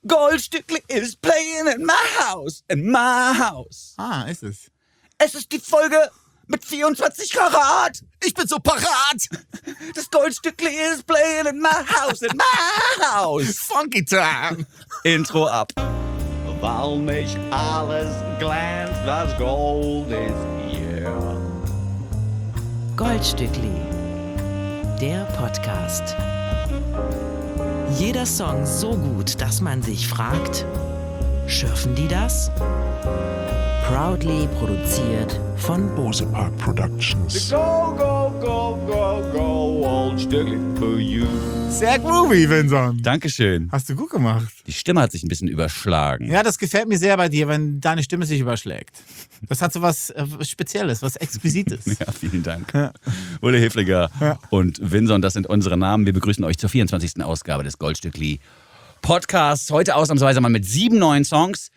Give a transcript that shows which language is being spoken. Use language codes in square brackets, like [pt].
[en] Goldstückli is playing in my house. In my house. [de] Ah, ist es. Es ist die Folge mit 24 Karat. Ich bin so parat. [en] Das Goldstückli is playing in my house. In my house. Funky time. [de] Intro ab. Weil mich alles glänzt, das Gold ist hier. Goldstückli. Der Podcast. Jeder Song so gut, dass man sich fragt, schürfen die das? [en] Proudly [de] produziert von Bose Park Productions. [en] The go, go, go, go, go, Goldstückli for you. [de] Sehr groovy, Vinson. Dankeschön. Hast du gut gemacht. Die Stimme hat sich ein bisschen überschlagen. Ja, das gefällt mir sehr bei dir, wenn deine Stimme sich überschlägt. Das hat so was Spezielles, was Exquisites. Ja, vielen Dank. Ja. Ulle Hefliger und Vinson, das sind unsere Namen. Wir begrüßen euch zur 24. Ausgabe des Goldstückli Podcasts. Heute ausnahmsweise mal mit 7 neuen Songs.